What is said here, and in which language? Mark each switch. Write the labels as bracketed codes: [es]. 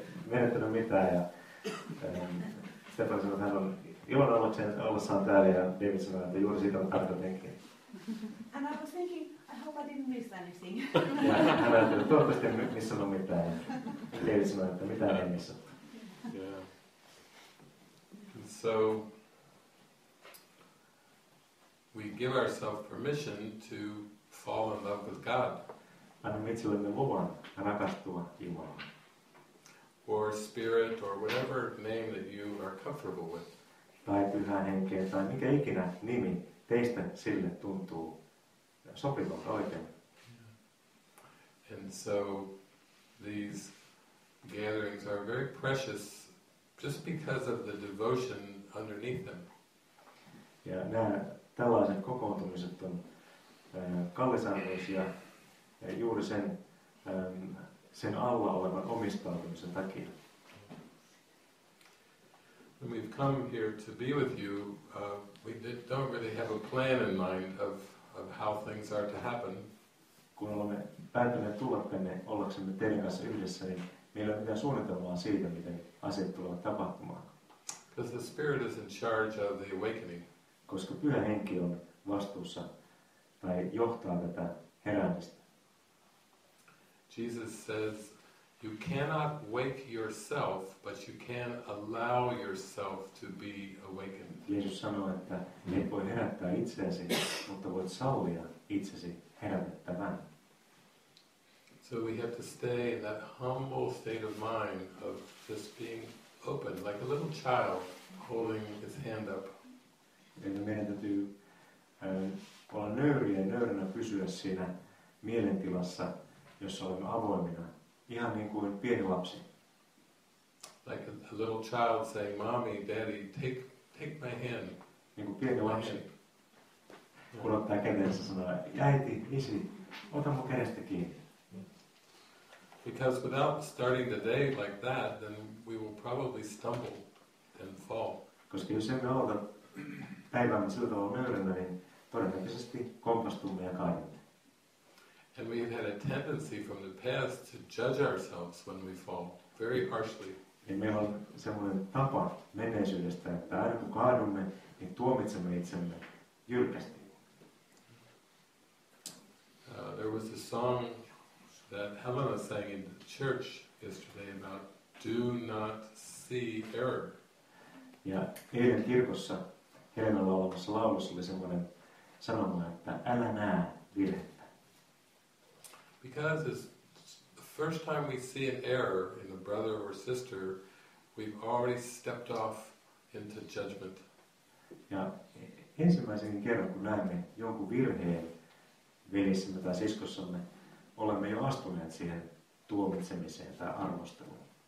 [fi] Menettänyt mitään, ja Stefan sanoi, että hän on ilon ollessaan täällä, ja David sanoi, että juuri siitä on tarkoitettu. [en] And I was thinking, I hope I didn't miss anything. [fi] Hän ajattelin, että toivottavasti en missannut mitään, ja David sanoi, että mitään ei missannut. Yeah. [en] So, we give ourselves permission to fall in love with God. [fi] Annamme itsellemme luvan rakastua Jumalaan. [en] Or spirit, or whatever name that you are comfortable with. [fi] Tai pyhän henkeä, tai mikä ikinä nimi teistä sille tuntuu sopivan oikein. [en] And so these gatherings are very precious just because of the devotion underneath them. [fi] Ja nämä tällaiset kokoontumiset on kallisarvoisia juuri sen sen alla olevan omistautumisen takia. [en] When we've come here to be with you, we don't really have a plan in mind of how things things are to happen. [fi] Kun olemme päättäneet tulla tänne ollaksemme teidän kanssa yhdessä, niin meillä on mitään suunnitelmaa siitä, miten asiat tulevat tapahtumaan. [en] Because the Spirit is in charge of the awakening. [fi] Koska Pyhä Henki on vastuussa tai johtaa tätä heräämistä. [en] Jesus says, you cannot wake yourself, but you can allow yourself to be awakened. [fi] Jeesus sanoo, että et voi herättää itseäsi, mutta voit sallia itsesi herätettävän. [en] So we have to stay in that humble state of mind of just being open, like a little child holding his hand up. [fi] Eli meidän täytyy olla nöyriä ja nöyränä pysyä siinä mielentilassa, jossa olemme avoimina, ihan niin kuin pieni lapsi. [en] Like a little child saying, mommy, daddy, take my hand. [fi] Niin kuin pieni lapsi, kun ottaa kädensä sanoa, äiti, isi, ota mun kädestä kiinni. [en] Because without starting the day like that, then we will probably stumble and fall. [fi] Koska jos emme aloita päivämme sillä tavalla nöyränä, niin todennäköisesti kompastumme ja kaadumme. [en] And we have had a tendency from the past to judge ourselves when we fall, very harshly. [fi] Ja meillä on semmoinen tapa menneisyydestä, että aina kun kaadumme, niin tuomitsemme itsemme jyrkästi. [en] There was a song that Helena sang in the church yesterday about do not see error. [fi] Ja eilen kirkossa Helena laulamassa laulussa oli semmoinen sanoma, että älä näe virhettä. [en] Because it's the first time we see an error in a brother or sister, we've already stepped off into judgment. [fi] Ja ensimmäisen kerran kun näemme jonkun virheen veljessämme tai siskossamme, olemme jo astuneet siihen tuomitsemiseen tai arvosteluun.